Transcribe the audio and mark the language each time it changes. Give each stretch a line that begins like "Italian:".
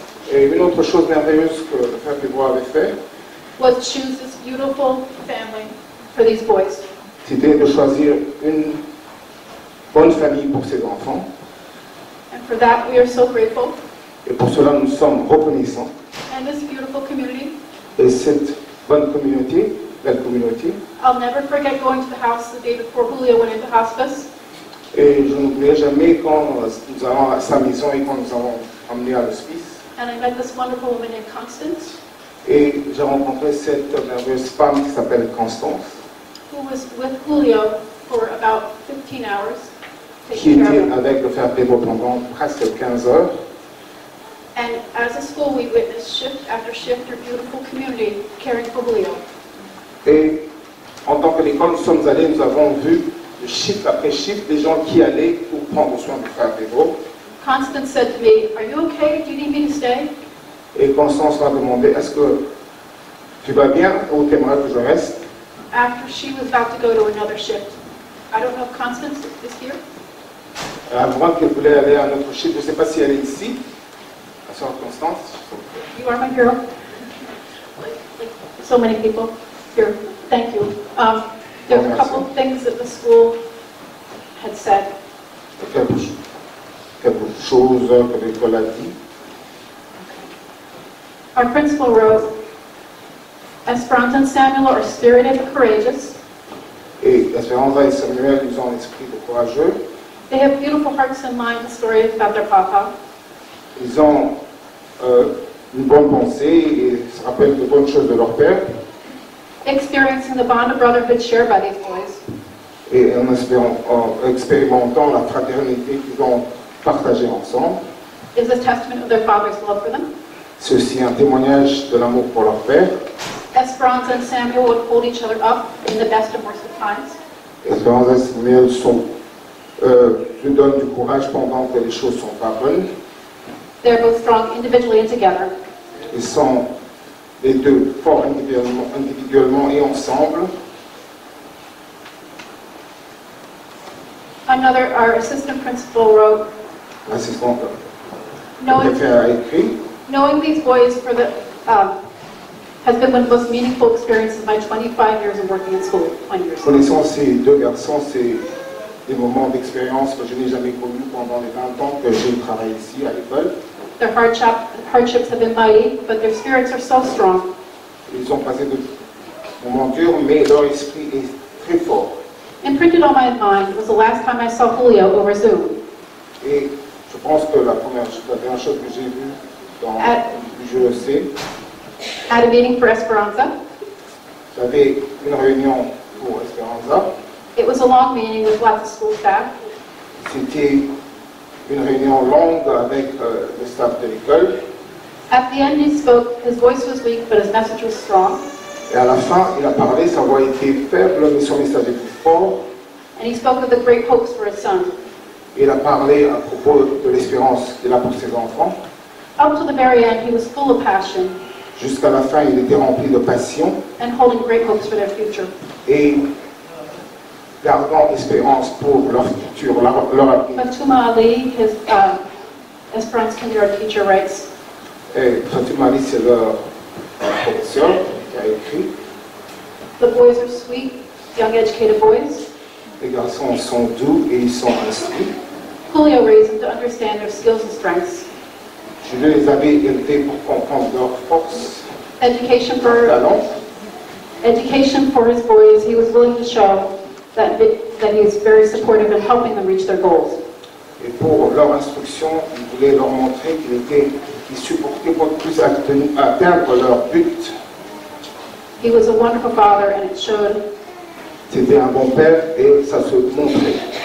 French: Et une autre chose merveilleuse que le frère Pedro avait fait.
English: Was choose this beautiful family for these boys.
French: C'était de choisir une bonne famille pour ses enfants.
English: And for that we are so grateful.
French: Et pour cela nous sommes reconnaissants.
English: And this beautiful community.
French: Et cette bonne communauté, belle communauté.
English: I'll never forget going to the house the day before Julio went into hospice.
French: Et je n'oublierai jamais quand nous allons à sa maison et quand nous allons emmener à l'hospice.
English: And I met this wonderful woman named Constance.
French: Et j'ai rencontré cette merveilleuse femme qui s'appelle Constance.
English: Who was with Julio for about 15 hours.
French: Qui était avec le frère Pedro pendant presque 15 heures.
English: And as a school, we witnessed shift after shift, our beautiful community caring for Julio.
French: Et en tant que l'école, nous sommes allés, nous avons vu shift après shift des gens qui allaient pour prendre soin du frère Pedro.
English: Constance said to me, "Are you okay? Do you need me to stay?"
French: Et Constance m'a demandé, est-ce que tu vas bien ou t'aimerais que je reste?
English: After she was about to go to another shift. I don't know if Constance is here.
French: Avant qu'elle voulait aller à un autre shift, je ne sais pas si elle est ici. La soeur Constance.
English: You are my hero. Like so many people here. Thank you. There were a couple of things that the school had said.
French: Quelques choses que l'école a dit.
English: Our principal wrote, Esperanza and Samuel are spirited and courageous.
French: Et Esperanza et Samuel, ils ont l'esprit de courageux.
English: They have beautiful hearts and minds, the story about their papa.
French: Ils ont une bonne pensée et se rappellent de bonnes choses de leur père.
English: Experiencing the bond of brotherhood shared by these boys.
French: Et en expérimentant la fraternité qu'ils ont partagée ensemble.
English: Is a testament of their father's love for them.
French: Ceci est un témoignage de l'amour pour leur père.
English: Esperanza and Samuel would hold each other up in the best and worst of times.
French: Esperanza et Samuel se donnent du courage pendant que les choses sont pas bonnes.
English: They're both strong individually and together.
French: Ils sont les deux forts individuellement et ensemble.
English: Another, our assistant principal wrote.
French: Assistant. Écrit.
English: Knowing these boys for the has been one of the most meaningful experiences of my 25 years of working in school. 20 years.
French: Connaissant ces deux garçons, c'est des moments d'expérience que je n'ai jamais connus pendant les 20 ans que j'ai travaillé ici à l'école.
English: Their hardships have been mighty, but their spirits are so strong.
French: Ils ont passé de moments durs, mais leur esprit est très fort.
English: Imprinted on my mind was the last time I saw Julio over Zoom.
French: Et je pense que la première chose que j'ai vue.
English: At a meeting for Esperanza.
French: J'avais une réunion pour Esperanza.
English: It was a long meeting with lots of school staff.
French: C'était une réunion longue avec le staff de l'école.
English: At the end he spoke, his voice was weak, but his message was strong.
French: Et à la fin, il a parlé, sa voix était faible, mais son message était fort.
English: And he spoke of the great hopes for his son.
French: Il a parlé à propos de l'espérance qu'il a pour ses enfants.
English: Up to the very end, he was full of passion.
French: Jusqu'à la fin, il était rempli de passion.
English: And holding great hopes for their future.
French: Et gardant espérance pour leur futur, leur avenir.
English: Fatima Ali, his Esperanza kindergarten teacher, writes.
French: Et Fatima Ali, c'est leur professeur qui a écrit.
English: The boys are sweet, young, educated boys.
French: Les garçons sont doux et ils sont instruits.
English: Julio raised them to understand their skills and strengths.
French: Je veux les avoir élevés pour comprendre leur force.
English: Education for his boys, he was willing to show that he is very supportive in helping them reach their goals.
French: Et pour leur instruction, il voulait leur montrer qu'il était, qu'il supportait pas plus à atteindre leur but.
English: He was a wonderful father, and it showed.
French: C'était un bon père, et ça se montrait.